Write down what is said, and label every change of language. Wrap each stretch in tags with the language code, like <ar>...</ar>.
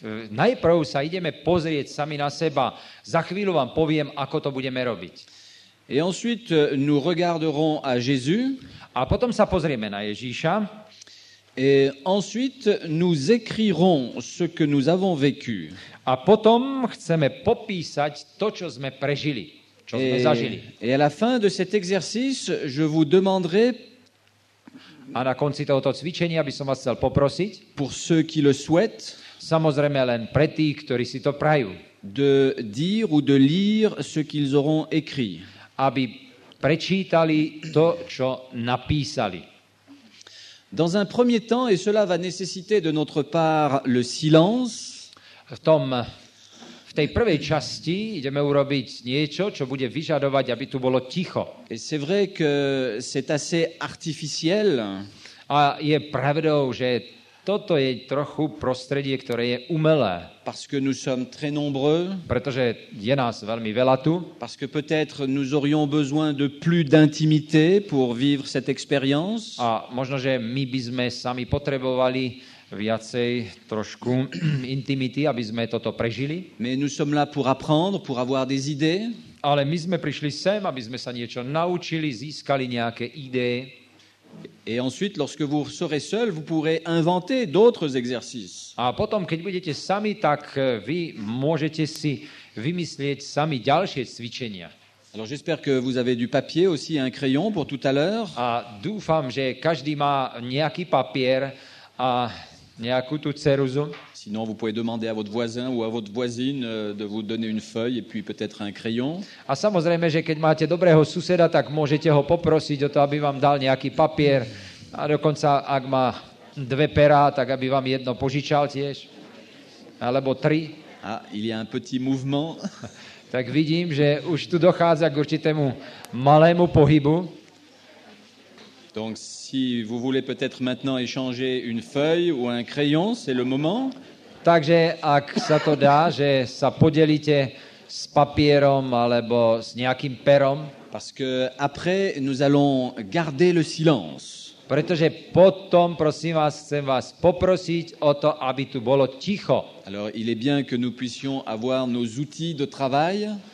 <sk>Najprv sa ideme pozrieť sami na seba. Za chvíľu vám poviem, ako to budeme robiť.</sk> <fr>Et ensuite nous regarderons à Jésus.</fr> <sk>A potom sa pozrieme na Ježíša.</sk> <fr>Et ensuite nous écrirons ce que nous avons vécu.</fr> <sk>A potom chceme popísať to, čo sme prežili, čo sme zažili.</sk> <fr>Et à la fin de cet exercice, je vous demanderai.</fr> <sk>A na konci tohoto cvičenia by som vás chcel poprosiť.</sk> <fr>Pour ceux qui le souhaitent.</fr> <sk>Samozrejme len pre tých, ktorí si to prajú.</sk> <fr>De dire ou de lire ce qu'ils auront écrit.</fr> <sk>Aby prečítali to, čo napísali.</sk> <fr>Dans un premier temps, et cela va nécessiter de notre part le silence.</fr> <sk>V tej prvej časti ideme urobiť niečo, čo bude vyžadovať, aby tu bolo ticho.</sk> <fr>Et c'est vrai que c'est assez artificiel.</fr> <sk>A je pravdou, že toto je trochu prostredie, ktoré je umelé.</sk> <fr>Parce que nous sommes très nombreux.</fr> <sk>Pretože je nás veľmi veľa tu.</sk> <fr>Parce que peut-être nous aurions besoin de plus d'intimité pour vivre cette expérience.</fr> <sk>A možno, že my by sme sami potrebovali viacej trošku intimity, aby sme toto prežili.</sk> <fr>Mais nous sommes là pour apprendre, pour avoir des idées.</fr> <sk>Ale my sme prišli sem, aby sme sa niečo naučili, získali nejaké idée.</sk> <fr>Et ensuite, lorsque vous serez seul, vous pourrez inventer d'autres exercices.</fr> <sk>A potom, keď budete sami, tak vy môžete si vymyslieť sami ďalšie cvičenia.</sk> <fr>Alors j'espère que vous avez du papier aussi un crayon pour tout à l'heure.</fr> <sk>A dúfam, že každý má nejaký papier a nejakú tú ceruzu.</sk> <fr>Sinon, vous pouvez demander à votre voisin ou à votre voisine de vous donner une feuille et puis peut-être un crayon.</fr> <sk>A samozrejme, že keď máte dobrého suseda, tak môžete ho poprosiť o to, aby vám dal nejaký papier A dokonca, ak má dve perá, tak aby vám jedno požičal tiež. Alebo tri.</sk> <fr>A il y a un petit mouvement.</fr> <sk>Tak vidím, že už tu dochádza k určitému malému pohybu.</sk> <fr>Donc si vous voulez peut-être maintenant échanger une feuille ou un crayon, c'est le moment.</fr> <sk>Takže ak sa to dá, že sa podelíte s papierom alebo s nejakým perom.</sk> <fr>Parce que après nous allons garder le silence.</fr> <sk>Pretože potom, prosím vás, chcem vás poprosiť o to, aby tu bolo ticho.</sk> <fr>Alors il est bien que nous puissions avoir nos outils de travail.</fr>